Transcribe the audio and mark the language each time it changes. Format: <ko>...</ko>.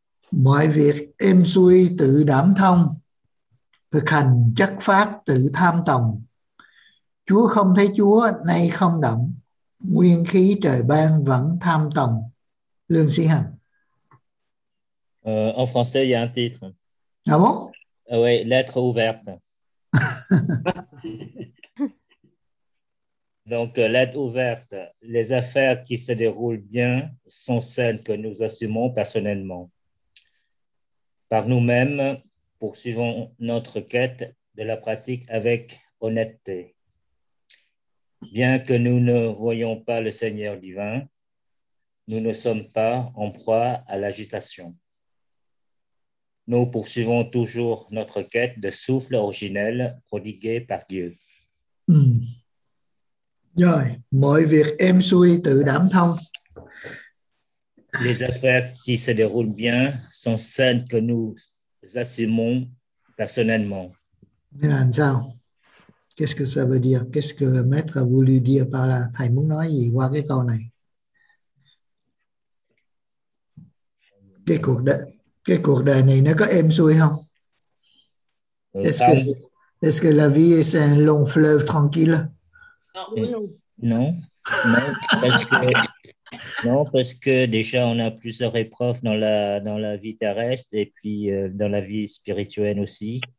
<vi>Mọi việc êm xuôi tự đảm thông, thực hành chất phát tự tham tòng. Chúa không thấy Chúa, nay không động. Nguyên khí trời ban vẫn tham tòng. Lương Sĩ Hằng.</vi> <fr>En français, il y a un titre. À bon? Oui, lettre ouverte. Donc, lettre ouverte. Les affaires qui se déroulent bien sont celles que nous assumons personnellement. Par nous-mêmes, poursuivons notre quête de la pratique avec honnêteté. Bien que nous ne voyons pas le Seigneur divin, nous ne sommes pas en proie à l'agitation. Nous poursuivons toujours notre quête de souffle originel prodigué par Dieu.</fr> <vi>Rồi, mọi việc êm xuôi tự đảm thông.</vi> <fr>Les affaires qui se déroulent bien sont celles que nous assumons personnellement.</fr> <vi>Là sao?</vi> <fr>Qu'est-ce que ça veut dire? Qu'est-ce que le maître a voulu dire par là?</fr> <vi>Thầy muốn nói gì qua cái câu này? Cái cuộc đời này nó có êm xuôi không?</vi> <fr>Calme. Est-ce que la vie est un long fleuve tranquille? Non, parce que déjà on a plusieurs épreuves dans la vie terrestre et puis dans la vie spirituelle aussi.</fr>